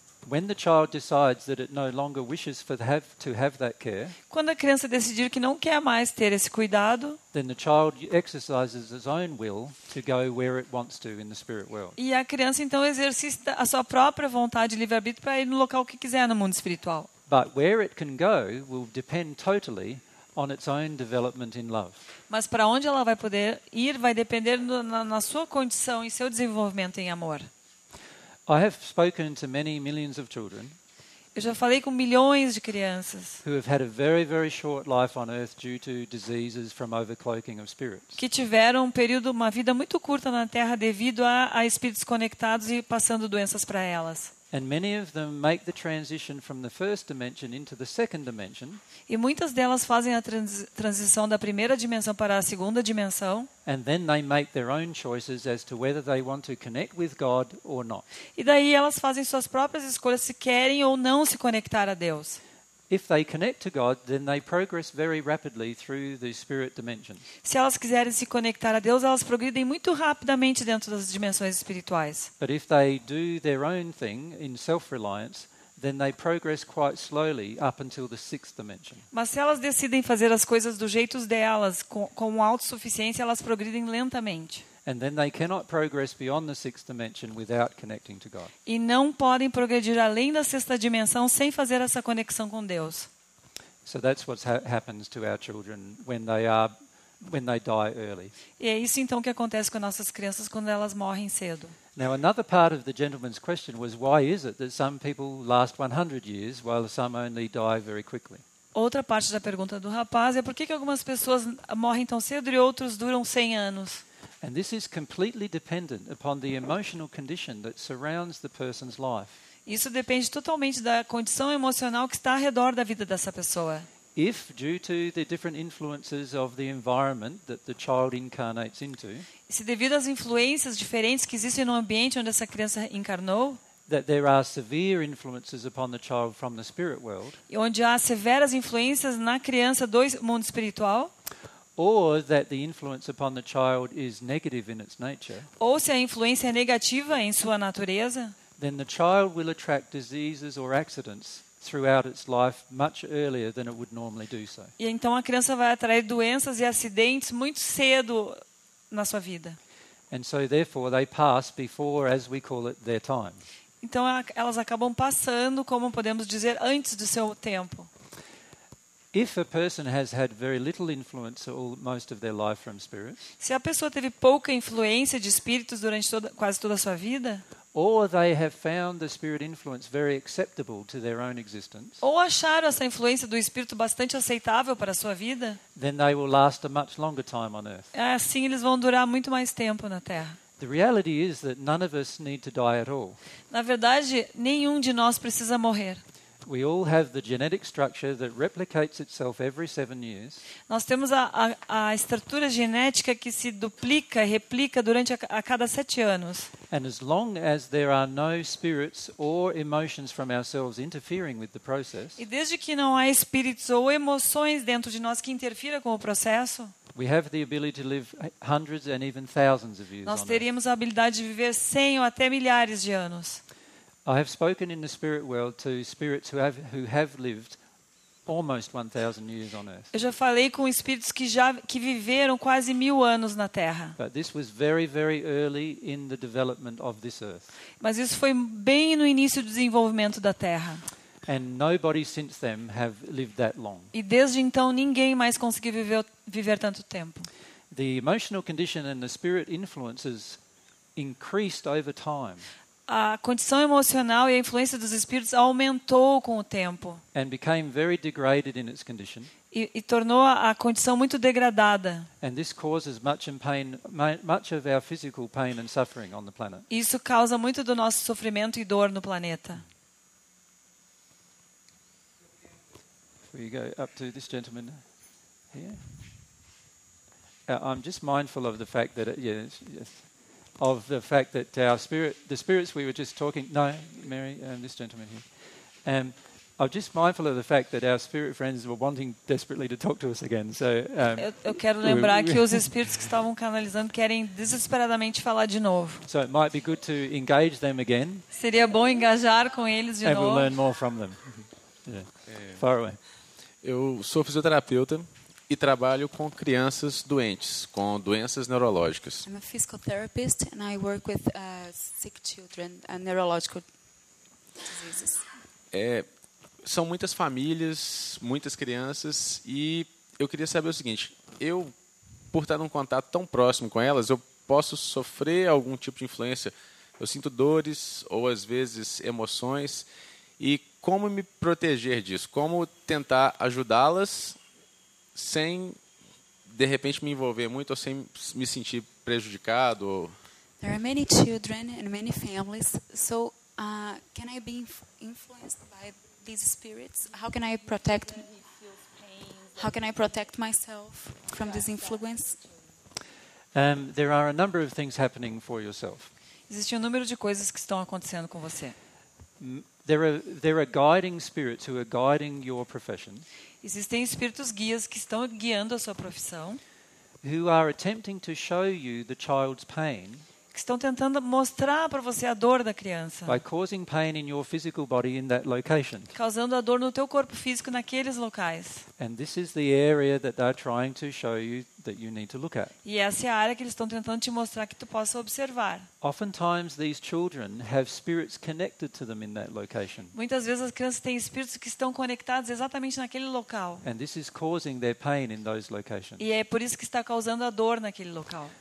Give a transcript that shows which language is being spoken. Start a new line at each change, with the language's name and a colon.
English: When the child decides that it no longer wishes to have that care,
Portuguese: quando a criança decidir que não quer mais ter esse cuidado,
English: then the child exercises its own will to go where it wants to in the spirit world.
Portuguese: E a criança então exercita a sua própria vontade livre-arbítrio para ir no local que quiser no mundo espiritual.
English: But where it can go will depend totally on its own development in love.
Portuguese: Mas para onde ela vai poder ir vai depender na sua condição e seu desenvolvimento em amor.
English: I have spoken to many millions of children.
Portuguese: Eu já falei com milhões de crianças.
English: Who have had a very, very short life on earth due to diseases from overcloaking of spirits.
Portuguese: Que tiveram uma vida muito curta na Terra devido a espíritos conectados e passando doenças para elas.
English: And many of them make the transition from the first dimension into the second dimension.
Portuguese: E muitas delas fazem a transição da primeira dimensão para a segunda dimensão.
English: And then they make their own choices as to whether they want to connect with God or not.
Portuguese: E daí elas fazem suas próprias escolhas se querem ou não se conectar a Deus.
English: If they connect to God, then they progress very rapidly through the spirit dimension.
Portuguese: Se elas quiserem se conectar a Deus, elas progredem muito rapidamente dentro das dimensões espirituais.
English: But if they do their own thing in self-reliance, then they progress quite slowly up until the sixth dimension.
Portuguese: Mas se elas decidem fazer as coisas do jeito delas, com autossuficiência, elas progredem lentamente.
English: And then they cannot progress beyond the sixth dimension without connecting to God.
Portuguese: E não podem progredir além da sexta dimensão sem fazer essa conexão com Deus.
English: So that's what happens to our children when they die early.
Portuguese: E é isso então que acontece com nossas crianças quando elas morrem cedo.
English: Now another part of the gentleman's question was why is it that some people last 100 years while some only die very quickly?
Portuguese: Outra parte da pergunta do rapaz é por que algumas pessoas morrem tão cedo e outros duram 100 anos?
English: And this is completely dependent upon the emotional condition that surrounds the person's life.
Portuguese: Isso depende totalmente da condição emocional que está ao redor da vida dessa pessoa.
English: If due to the different influences of the environment that the child incarnates into,
Portuguese: se devido às influências diferentes que existem no ambiente onde essa criança encarnou,
English: that there are severe influences upon the child from the spirit world,
Portuguese: e onde há severas influências na criança do mundo espiritual,
English: or that the influence upon the child is negative in its nature,
Portuguese: ou se a influência é negativa em sua natureza,
English: then the child will attract diseases or accidents throughout its life much earlier than it would normally do so.
Portuguese: E então a criança vai atrair doenças e acidentes muito cedo na sua vida.
English: And so therefore they pass before, as we call it, their time.
Portuguese: Então elas acabam passando, como podemos dizer, antes do seu tempo.
English: If a person has had very little influence all most of their life from spirits,
Portuguese: se a pessoa teve pouca influência de espíritos durante quase toda a sua vida,
English: or they have found the spirit influence very acceptable to their own existence,
Portuguese: ou acharam essa influência do espírito bastante aceitável para a sua vida,
English: then they will last a much longer time on earth.
Portuguese: Assim eles vão durar muito mais tempo na Terra.
English: The reality is that none of us need to die at all.
Portuguese: Na verdade, nenhum de nós precisa morrer.
English: We all have the genetic structure that replicates itself every 7 years.
Portuguese: Nós temos a estrutura genética que se duplica, replica durante a cada 7 anos.
English: And as long as there are no spirits or emotions from ourselves interfering with the process,
Portuguese: e desde que não há espíritos ou emoções dentro de nós que interfira com o processo,
English: we have the ability to live hundreds and even thousands of years.
Portuguese: Nós teríamos a habilidade de viver 100 ou até milhares de anos.
English: I have spoken in the spirit world to spirits who have lived almost 1,000 years on earth.
Portuguese: Eu já falei com espíritos que viveram quase 1,000 anos na Terra.
English: But this was very, very early in the development of this earth.
Portuguese: Mas isso foi bem no início do desenvolvimento da Terra.
English: And nobody since then have lived that long.
Portuguese: E desde então ninguém mais conseguiu viver tanto tempo.
English: The emotional condition and the spirit influences increased over time.
Portuguese: A condição emocional e a influência dos espíritos aumentou com o tempo.
English: And became very degraded in its condition.
Portuguese: E tornou a condição muito degradada.
English: And this causes much pain, much of our physical pain and suffering on the planet.
Portuguese: Isso causa muito do nosso sofrimento e dor no planeta.
English: We go up to this gentleman here. I'm just mindful of the fact that our spirit friends were wanting desperately to talk to us again. So
Portuguese: eu quero lembrar que os espíritos que estavam canalizando querem desesperadamente falar de novo.
English: So it might be good to engage them again.
Portuguese: Seria bom engajar com eles de
English: and
Portuguese: novo.
English: We'll learn more from them. Yeah. Far away.
Portuguese: Eu sou fisioterapeuta e trabalho com crianças doentes, com doenças neurológicas.
English: I'm a physical therapist and I work with sick children and neurological diseases.
Portuguese: São muitas famílias, muitas crianças, e eu queria saber o seguinte: eu, por estar num contato tão próximo com elas, eu posso sofrer algum tipo de influência? Eu sinto dores ou às vezes emoções, e como me proteger disso? Como tentar ajudá-las sem, de repente, me envolver muito ou sem me sentir prejudicado?
English: There are many children and many families, so can I be influenced by these spirits? How can I protect? How can I protect myself from this influence? There are a number of things happening for yourself.
Portuguese: Existe um número de coisas que estão acontecendo com você.
English: There are guiding spirits who are guiding your profession.
Portuguese: Existem espíritos guias que estão guiando a sua profissão.
English: Who are attempting to show you the child's pain.
Portuguese: Que estão tentando mostrar para você a dor da criança.
English: By causing pain in your physical body in that location.
Portuguese: Causando a dor no teu corpo físico naqueles locais.
English: And this is the area that they're trying to show you that you need to look at.
Portuguese: E essa é a área que eles estão tentando te mostrar que tu possa observar.
English: Oftentimes these children have spirits connected to them in that location.
Portuguese: Muitas vezes as crianças têm espíritos que estão conectados exatamente naquele local.
English: And this is causing their pain in those locations.
Portuguese: E é por isso que está causando a dor naquele local.